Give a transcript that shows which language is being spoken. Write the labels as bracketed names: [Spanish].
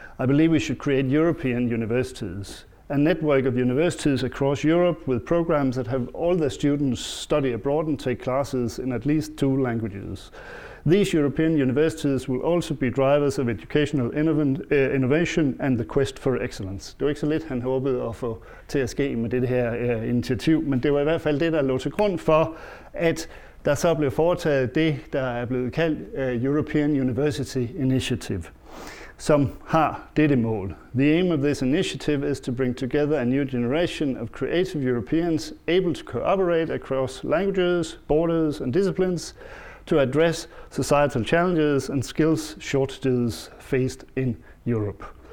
[English] I believe we should create European universities, a network of universities across Europe with programs that have all the students study abroad and take classes in at least two languages. These European universities will also be drivers of educational innovation and the quest for excellence. [Danish] Det var ikke så lidt, han håbede at få til at ske med det her initiativ, men det var i hvert fald det, der lå til grund for, at der så blev foretaget det, der er blevet kaldt European University Initiative, som har dette mål. [English] The aim of this initiative is to bring together a new generation of creative Europeans able to cooperate across languages, borders and disciplines to address societal challenges and skills shortages faced in Europe.